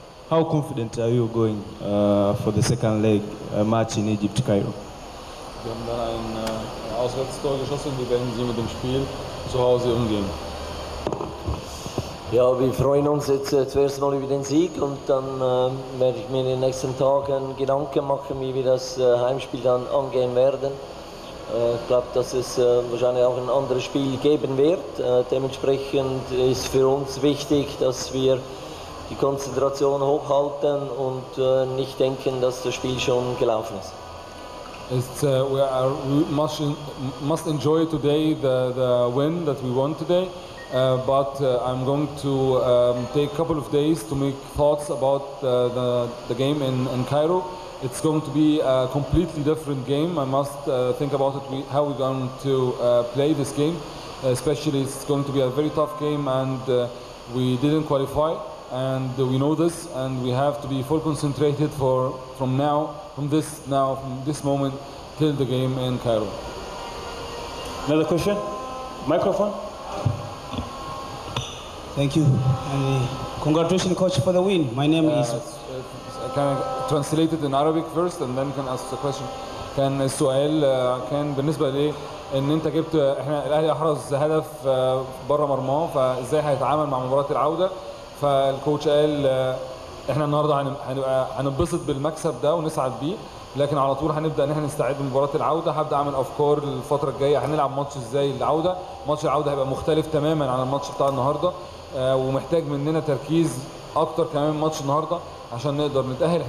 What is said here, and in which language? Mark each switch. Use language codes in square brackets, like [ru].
[en] How confident are you going for the second leg match in Egypt, Cairo? [de] Wir haben dann ein Auswärtstor geschossen. Wir werden sie mit dem Spiel zu Hause umgehen. Ja, wir freuen uns jetzt zuerst mal über den Sieg, und dann werde ich mir in den nächsten Tagen Gedanken machen, wie wir das Heimspiel dann angehen werden. Ich glaube, dass es wahrscheinlich auch ein anderes Spiel geben wird. Dementsprechend ist für uns wichtig, dass wir die Konzentration hochhalten und nicht denken, dass das Spiel schon gelaufen ist. [en] We must enjoy today the win that we won today, but I'm going to take a couple of days to make thoughts about the game in Cairo. It's going to be a completely different game. I must think about it, how we're going to play this game. Especially, it's going to be a very tough game, and we didn't qualify, and we know this, and we have to be full concentrated from this moment till the game in Cairo. Another question? Microphone. Thank you. Congratulations, coach, for the win. My name is... Can I translate it in Arabic first and then can ask the question. [ar] كان السؤال كان بالنسبة لي ان انت جبت، احنا الاهلي احرز هدف بره مرماه، فازاي هيتعامل مع مباراة العودة؟ فالكوتش قال احنا النهاردة هنبسط بالمكسب ده ونسعد بيه، لكن على طول هنبدا ان احنا نستعد لمباراة العودة، هبدا اعمل افكار للفترة الجاية، هنلعب ماتش ازاي العودة، ماتش العودة هيبقى مختلف تماما عن الماتش بتاع النهاردة، ومحتاج مننا تركيز اكتر كمان ماتش النهاردة عشان نقدر نتأهل.